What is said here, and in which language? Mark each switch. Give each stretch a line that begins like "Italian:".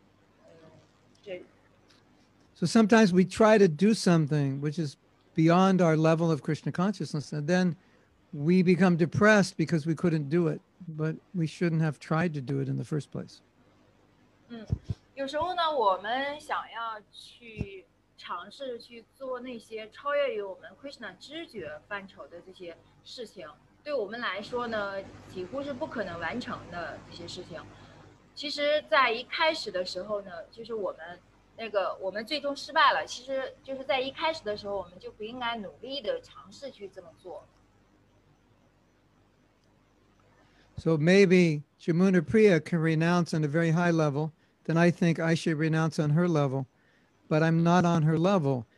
Chinese: 事实上，我们其实就是不应该努力的去尝试那些就是超越于我们的那个能力，超越于我们的这个极限的这些。So
English: sometimes we try to do something which is beyond our level of Krishna consciousness, and then we become depressed because we couldn't do it, but we shouldn't have tried to do it in the first place.
Chinese: 有时候呢，我们想要去 尝试去做那些超越于我们 Krishna 知觉范畴的这些事情，对我们来说呢，几乎是不可能完成的这些事情。其实，在一开始的时候呢，就是我们那个我们最终失败了，其实就是在一开始的时候我们就不应该努力的尝试去这么做。
English: So maybe Jamunapriya can renounce on a very high level, then I think I should renounce on her level, but I'm not on her level.